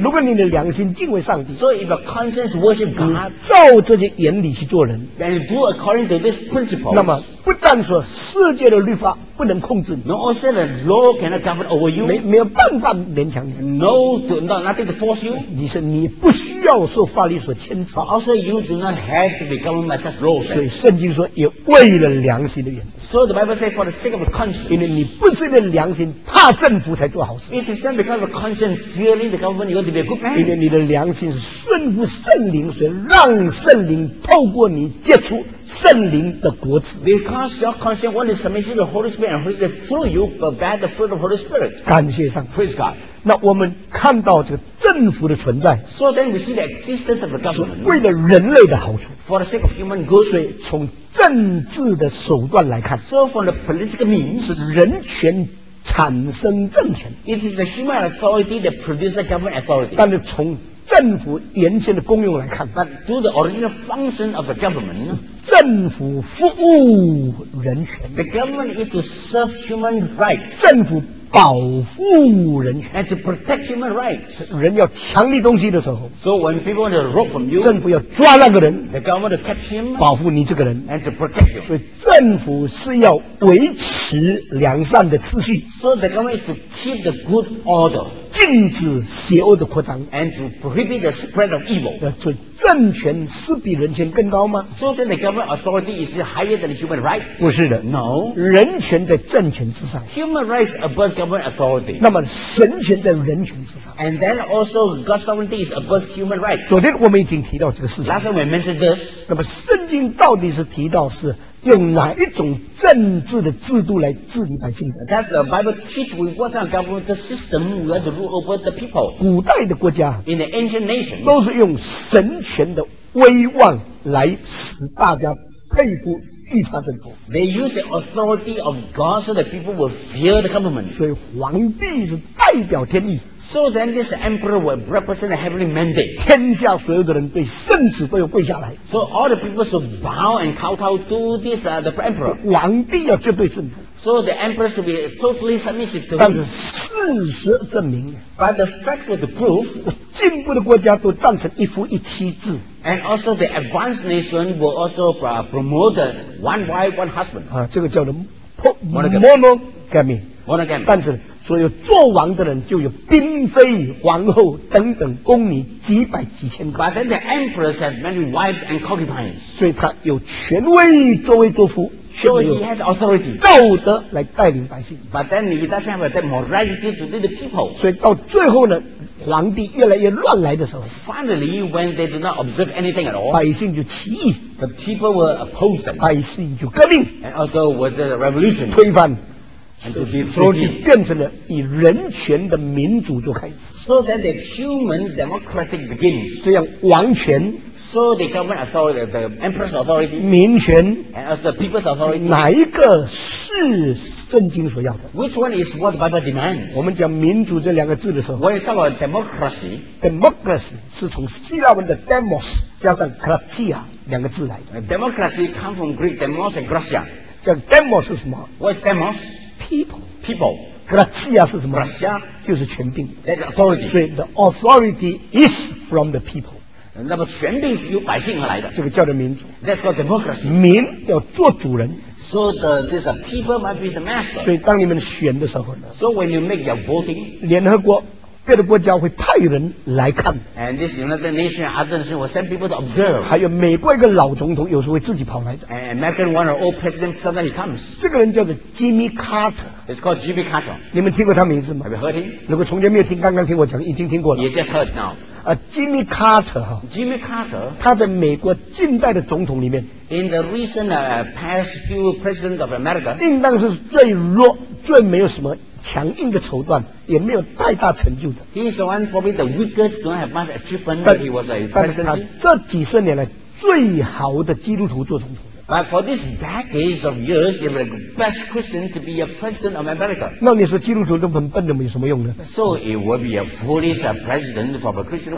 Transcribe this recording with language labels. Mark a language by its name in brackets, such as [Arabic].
[Chinese] 如果你的良心敬畏上帝 [English] So if a conscience worship God, [Chinese] 照这些原理去做人 [English] Then do according to this principle. [Chinese] 那么不但说世界的律法不能控制你 [English] No, also the law cannot govern over you [Chinese] 没有办法勉强你 [English] No, no, nothing to force you [Chinese] 你说你不需要受法律所牵制 [English] Also you do not have to be governed by such laws [Chinese] 所以圣经说也为了良心的缘故 [English] So the Bible says for the sake of the conscience [Chinese] 因为你不是为了良心怕政府才做好事 [English] It is not because of conscience fearing the government you want to be a good man [Chinese] 因为你的良心是顺服圣灵所以让圣灵透过你结出圣灵的果子 [English] Because your conscience wants to submit to the Holy Spirit and Holy Spirit through you but bear the fruit of the Holy Spirit [Chinese] 感谢上 [English] Praise God [Chinese] 那我们看到这个政府的存在 [English] So then we see the existence of the government [Chinese] 是为了人类的好处 [English] For the sake of human good [Chinese] 所以从政治的手段来看 [English] So from the political means [Chinese] 是人权产生政权 [English] It is the human authority that produces the government authority [Chinese] 但是从政府原先的功用来看 [English] But to the original function of the government [Chinese] 政府服务人权 [English] The government is to serve human rights [Chinese] 政府保护人权 [English] and to protect human rights. [Chinese] 人要强力东西的时候 [English] so when people want to rob from you, [Chinese] 政府要抓那个人 [English] the government will catch him, [Chinese] 保护你这个人 [English] and to protect you. [Chinese] 所以政府是要维持良善的秩序 [English] so the government is to keep the good order. [Chinese] 禁止邪恶的扩张 [English] and to prohibit the spread of evil. [Chinese] 所以政权是比人权更高吗 [English] so then the government authority is higher than human rights? [Chinese] 不是的 [English] no. [Chinese] 人权在政权之上 [English] human rights above government authority. [Chinese] 那么神权在人权之上 [English] and then also God's sovereignty is above human rights. [Chinese] 昨天我们已经提到这个事情 [English] last time we mentioned this. [Chinese] 那么圣经到底是提到是用哪一种政治的制度来治理百姓的 [English] That's the Bible teach with what kind of government system we have to rule over the people. [Chinese] 古代的国家 [English] in the ancient nation [Chinese] 都是用神权的威望来使大家佩服 [English] They use the authority of God so that people will fear the government. [Chinese] 所以皇帝是代表天意。 [English] So then this emperor will represent a heavenly mandate. [Chinese] 天下所有的人对圣旨都要跪下来。 [English] So all the people should bow and kowtow to this the emperor. [Chinese] 皇帝要绝对顺服。 [English] So the emperor should be totally submissive to [Chinese] him. 但是事实证明。 [English] But the facts will prove. [Chinese] 进步的国家都赞成一夫一妻制。 [English] And also the advanced nation will also promote the one wife, one husband. [Chinese] 啊，这个叫做 monogamy。 [English] Monogamy。 [Chinese] 但是所有做王的人就有嫔妃、皇后等等宫女几百几千个。 [English] But then the emperors have many wives and concubines. [Chinese] 所以他有权威作为作夫。 [English] So he has authority. [Chinese] 道德来带领百姓。 [English] But then he doesn't have that morality to lead the people. [Chinese] 所以到最后呢？皇帝越来越乱来的时候 [English] Finally, when they do not observe anything at all, [Chinese] 百姓就起义 [English] The people will oppose them. [Chinese] 百姓就革命 [English] And also with the revolution. [Chinese] 推翻 [English] And to destroy it. [Chinese] 变成了以人权的民主就开始 [English] So then the human democratic begins. [Chinese] 这样王权 [English] So the government authority, the emperor's authority. [Chinese] 民权 [English] And also the people's authority. [Chinese] 哪一个是圣经所要的 [English] Which one is what the Bible demands? [Chinese] 我们讲民主这两个字的时候 [English] When you talk about democracy [Chinese] Democracy 是从希腊文的 demos 加上 kratia 两个字来的 [English] Democracy comes from Greek demos and gratia [Chinese] 叫 demos 是什么 [English] What is demos? People People [Chinese] Gratia 是什么 [English] Gratia [Chinese] 就是权柄 [English] That's authority So the authority is from the people [Chinese] 那么权柄是由百姓而来的这个叫做民主 [English] That's called democracy [Chinese] 民要做主人 [English] So the this people might be the master. [Chinese] 所以当你们选的时候呢 [English] ？So when you make your voting, [Chinese] 联合国别的国家会派人来看。 [English] And this United Nations, other nations will send people to observe. [Chinese] 还有美国一个老总统有时候会自己跑来的。 [English] And American one or old president sometimes he comes. [Chinese] 这个人叫做 Jimmy Carter. [English] It's called Jimmy Carter. [Chinese] 你们听过他名字吗 [English] ？Have you heard him? [Chinese] 如果从前没有听，刚刚听我讲，已经听过了。 [English] You just heard now. [Chinese] Jimmy Carter 哈 [English] ，Jimmy Carter， [Chinese] 他在美国近代的总统里面 [English] ，In the recent past few presidents of America， [Chinese] 应当是最弱、最没有什么强硬的手段，也没有太大成就的。 [English] He's the one probably the weakest, don't have much achievement when he was a president. [Chinese] 但是他这几十年来最好的基督徒做总统。 [English] But for this decades of years, he was the best Christian to be a president of America. [Chinese] 那你说基督徒都很笨的，有什么用呢 [English] ？So it would be a foolish president for a Christian.